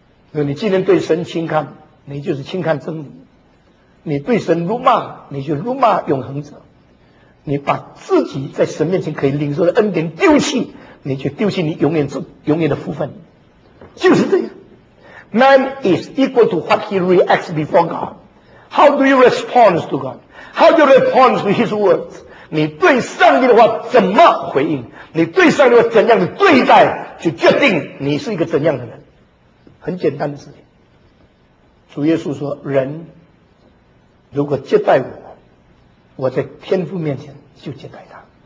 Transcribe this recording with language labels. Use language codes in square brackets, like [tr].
[zh] 那你今天对神轻看，你就是轻看真理；你对神辱骂，你就辱骂永恒者。你把自己在神面前可以领受的恩典丢弃，你就丢弃你永远的福分。就是这样。 [en] Man is equal to what he reacts before God. How do you respond to God? How do you respond to his words? [zh] 你对上帝的话怎么回应？你对上帝的话怎样的对待，去决定你是一个怎样的人。很简单的事情。主耶稣说，人如果接待我，我在天父面前就接待他。